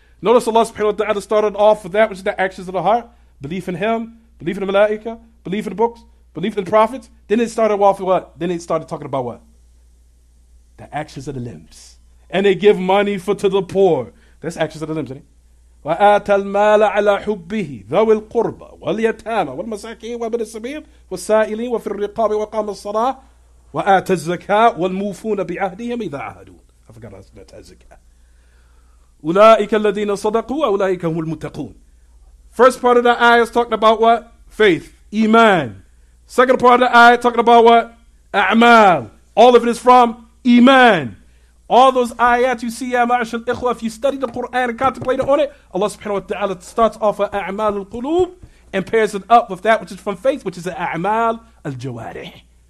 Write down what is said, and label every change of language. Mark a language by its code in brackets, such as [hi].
[en] Notice Allah subhanahu wa ta'ala started off with that which is the actions of the heart, belief in Him, belief in the Malaika, belief in the books, belief in the prophets. Then it started off with what? Then it started talking about what? The actions of the limbs. And they give money to the poor. That's actions of the limbs, isn't it? [ar] وآت المال على حبه ذوي القربى واليتامى والمساكين وابن السبيل والسائلين وفي الرقاب وقام الصلاة وآت الزكاة والموفون بعهدهم إذا عهدوا. [en] I forgot about that الزكاة. [ar] أولئك الذين صدقوا وأولئك هم المتقون. [en] First part of the ayah is talking about what? Faith, iman. Second part of the ayah talking about what? أعمال. All of it is from iman. All those ayat you see, ya ma'ashal ikhwa, if you study the Quran and contemplate on it, Allah subhanahu wa ta'ala starts off with a'mal al-qulub and pairs it up with that which is from faith, which is a'mal al-jawarih.